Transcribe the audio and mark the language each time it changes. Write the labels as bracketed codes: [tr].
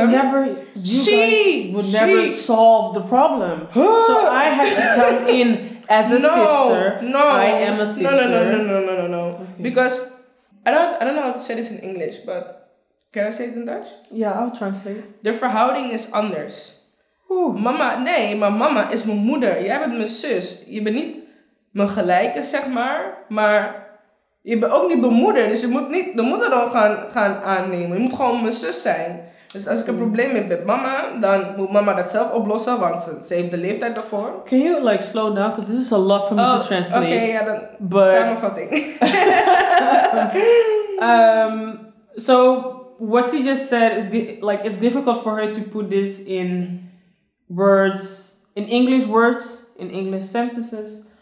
[en] would never, you she, guys would she. Never solve the problem. So I had to come in as a sister. No, I am a sister. No. Okay. Because I don't know how to say this in English, but can I say it in Dutch? Yeah, I'll translate. [nl] De verhouding is anders. Ooh. Mama, nee, maar mama is mijn moeder. Jij bent mijn zus. Je bent niet mijn gelijke, zeg maar. Maar je bent ook niet mijn moeder. Dus je moet niet de moeder dan gaan aannemen. Je moet gewoon mijn zus zijn. Dus als ik een probleem heb met mama, dan moet mama dat zelf oplossen. Want ze heeft de leeftijd daarvoor. [en] Can you like slow down? Because this is a lot for me to translate. [nl] Oké, ja, dan samenvatting. [en] So what she just said is like it's difficult for her to put this in words, in English words, in English sentences.